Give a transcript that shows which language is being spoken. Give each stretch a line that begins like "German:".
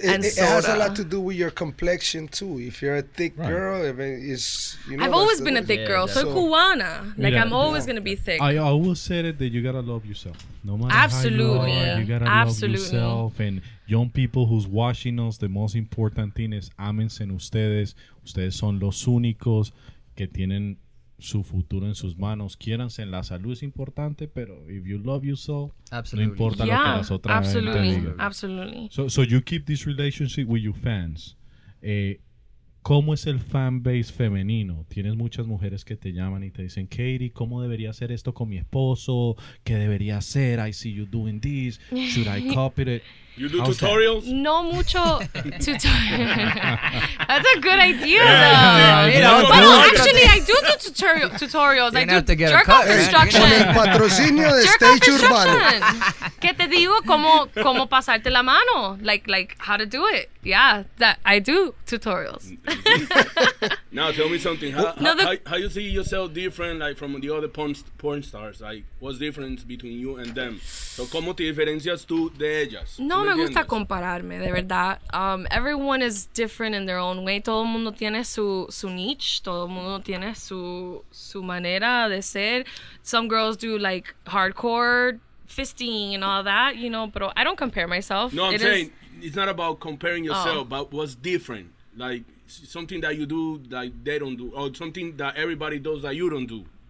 English: It has a lot to do with your complexion, too. If you're a thick girl, I mean, it's, you know, I've always been a thick girl. Yeah, yeah. So cubana. Like, I'm always going to be thick. I always said it that you got to love yourself. No matter how you are, you got to love yourself. And young people who's watching us, the most important thing is
Spanish: ámense en ustedes. Ustedes son los únicos que tienen su futuro en sus manos. Quiéranse, la salud es importante, pero
English: if you love yourself, absolutely.
Spanish: No importa lo que las otras
English: absolutely. So you keep this relationship with your fans.
Spanish: ¿Cómo es el fan base femenino? Tienes muchas mujeres que te llaman y te dicen, Katie, ¿cómo debería hacer esto con mi esposo? ¿Qué debería hacer?
English: I see you doing this. Should I copy it? You do How's tutorials? That?
Spanish: No mucho tutorials.
English: That's a good idea, though. Yeah, well, actually, I do the tutorials. You I do have to get jerk off instruction.
Spanish: Patrocinio de Stage Urbano. Que te digo cómo pasarte la mano.
English: Like how to do it. Yeah, that I do tutorials. Now tell me something. How you see yourself different, like from the other porn stars? Like, what's the difference between you and them? So
Spanish: cómo te diferencias tú de ellas? No me gusta compararme, de verdad.
English: Everyone is different in their own way.
Spanish: Todo el mundo tiene su niche. Todo el mundo tiene su manera de ser.
English: Some girls do like hardcore fisting and all that, you know. But I don't compare myself. No, it's not about comparing yourself, but what's different, like something that you do that they don't do, or something that everybody does that you don't do.